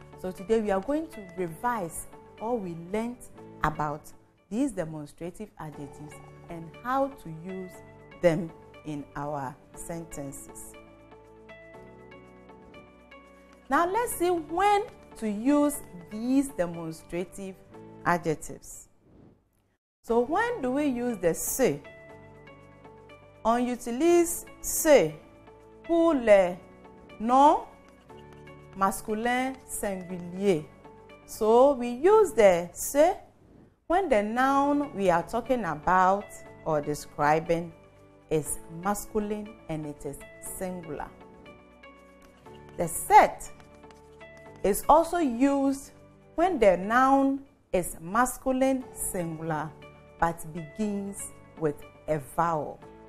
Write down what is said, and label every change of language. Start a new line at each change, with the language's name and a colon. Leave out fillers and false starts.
English: So today we are going to revise all we learned about these demonstrative adjectives and how to use them in our sentences. Now let's see when to use these demonstrative adjectives. So when do we use the se?
French: On utilise se pour le nom masculin singulier.
English: So we use the se when the noun we are talking about or describing is masculine and it is singular. The set is also used when the noun is masculine singular but begins with a vowel.